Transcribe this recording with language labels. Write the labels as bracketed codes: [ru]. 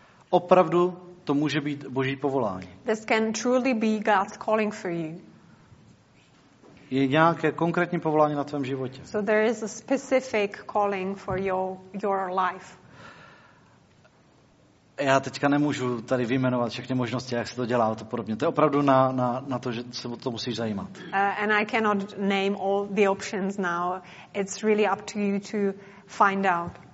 [cs] Opravdu to může být Boží povolání. [en] This can truly be God's calling for you. [cs] Je nějaké konkrétní povolání na tvém životě. [en] So there is a specific calling for your life. [cs] Já teďka nemůžu tady vyjmenovat všechny možnosti, jak se to dělá a to podobně. To je opravdu na to, že se o to musíš zajímat. [en] And I cannot name all the options now. It's really up to you to find out.